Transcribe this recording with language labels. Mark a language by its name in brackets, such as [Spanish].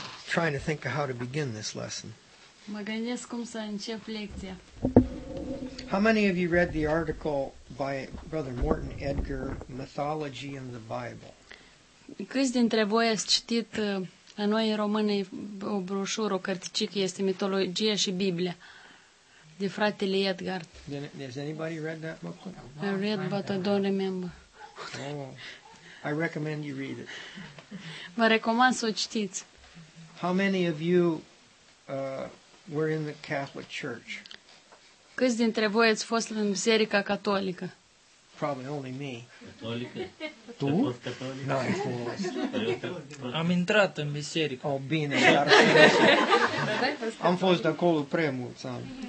[English] Trying to think of how to begin this lesson. [Romanian] Mă gândesc cum să încep lecția. [English] How many of you read the article by Brother Morton Edgar, Mythology in the Bible? [Romanian] Câți dintre voi ați citit la noi în română o broșură, o carticică, este Mitologia și Biblia, de fratele Edgar? [English] Has anybody read that book? I read, but I don't remember. Oh, I recommend you read it. [Romanian] Vă recomand să o citiți. [English] How many of you were in the Catholic Church? [Romanian] Câți dintre voi ați fost în Biserica Catolică? [English] Probably only me. [Romanian] Catolică? Tu? [English] No, I was. [Romanian] Am intrat în biserică. Oh, bine. Am fost acolo prea mulți ani.